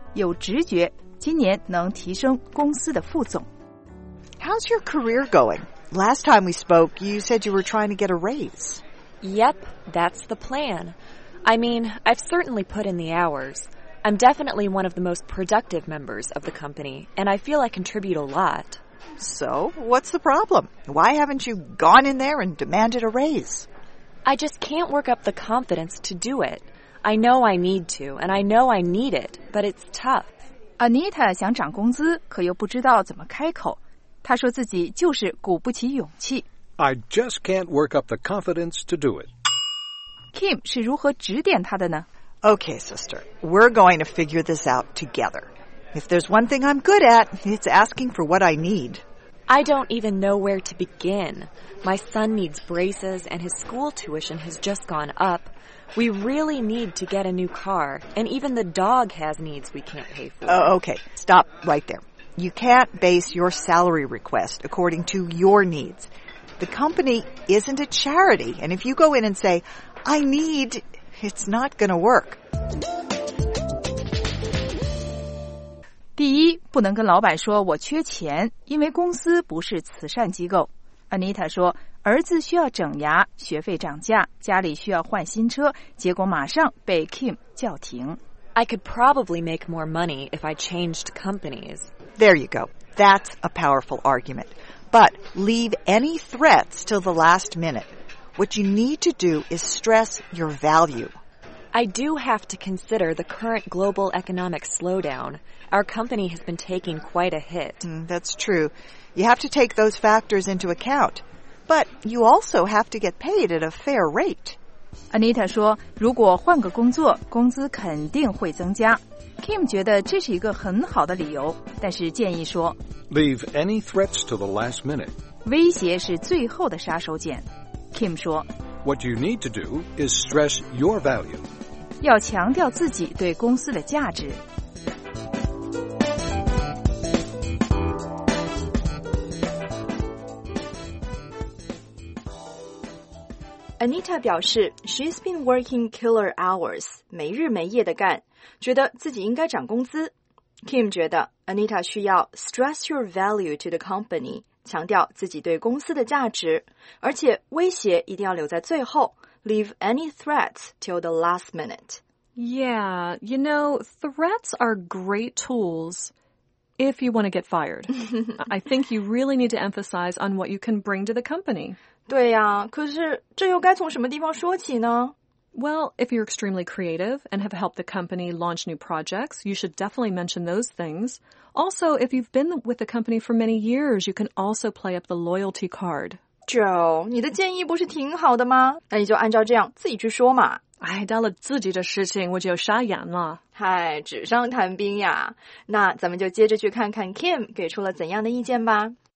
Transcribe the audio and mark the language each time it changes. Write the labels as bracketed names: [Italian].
[Chinese] 有直觉，今年能提升公司的副总。 [English] How's your career going? Last time we spoke, you said you were trying to get a raise. Yep, that's the plan. I mean, I've certainly put in the hours. I'm definitely one of the most productive members of the company, and I feel I contribute a lot. So, what's the problem? Why haven't you gone in there and demanded a raise? I just can't work up the confidence to do it. I know I need to, and I know I need it, but it's tough. [Chinese] Anita 想涨工资，可又不知道怎么开口。他说自己就是鼓不起勇气。 [English] I just can't work up the confidence to do it. [Chinese] Kim 是如何指点他的呢？ [English] Okay, sister, we're going to figure this out together. If there's one thing I'm good at, it's asking for what I need. I don't even know where to begin. My son needs braces and his school tuition has just gone up. We really need to get a new car, and even the dog has needs we can't pay for. Okay, stop right there. You can't base your salary request according to your needs. The company isn't a charity, and if you go in and say, I need, it's not going to work. [Chinese] 第一，不能跟老板说我缺钱，因为公司不是慈善机构。 Anita 说，儿子需要整牙，学费涨价，家里需要换新车，结果马上被 Kim 叫停。 [English] I could probably make more money if I changed companies. There you go. That's a powerful argument. But leave any threats till the last minute. What you need to do is stress your value. I do have to consider the current global economic slowdown. Our company has been taking quite a hit. That's true. You have to take those factors into account. But you also have to get paid at a fair rate. [Chinese] Anita 说如果换个工作工资肯定会增加。 Kim 觉得这是一个很好的理由，但是建议说 [English] Leave any threats to the last minute. [Chinese] 威胁是最后的杀手锏。Kim 说 [English] What you need to do is stress your value. [Chinese] 要强调自己对公司的价值。 Anita 表示 [English] she's been working killer hours, [Chinese] 没日没夜的干，觉得自己应该涨工资。 Kim 觉得 Anita 需要 [English] stress your value to the company, [Chinese] 强调自己对公司的价值，而且威胁一定要留在最后， [English] leave any threats till the last minute. Yeah, you know, threats are great tools. If you want to get fired, I think you really need to emphasize on what you can bring to the company. [Chinese] 对呀，可是这又该从什么地方说起呢？ [English] Well, if you're extremely creative and have helped the company launch new projects, you should definitely mention those things. Also, if you've been with the company for many years, you can also play up the loyalty card. [Chinese] Joe, 你的建议不是挺好的吗？那你就按照这样自己去说嘛。哎，到了自己的事情，我就傻眼了。嗨，纸上谈兵呀。那咱们就接着去看看 Kim 给出了怎样的意见吧。